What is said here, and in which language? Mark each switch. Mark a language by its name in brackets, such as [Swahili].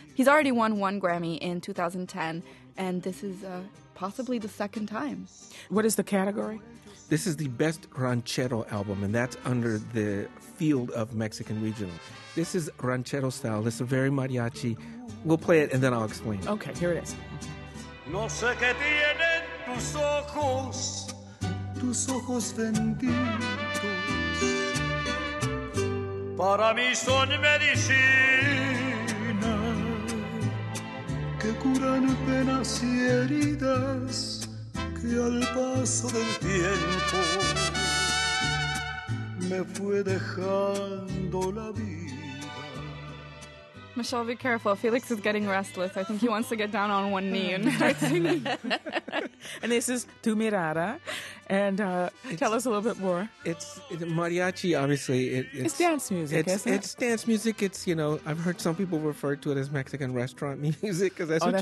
[English] He's already won one Grammy in 2010, and this is possibly the second time. What is the category? This is the best ranchero album, and that's under the field of Mexican regional. This is ranchero style. This is very mariachi. We'll play it, and then I'll explain. Okay, here it is. [Spanish] No sé qué tienen tus ojos benditos. Para mí son medicina que curan penas y heridas que al paso del tiempo me fue dejando la vida. [English] Michelle, be careful. Felix is getting restless. I think he wants to get down on one knee and start singing. And this is Tu Mirada. And tell us a little bit more. It's mariachi, obviously. It's dance music, isn't it? It's dance music. It's, you know, I've heard some people refer to it as Mexican restaurant music because that's what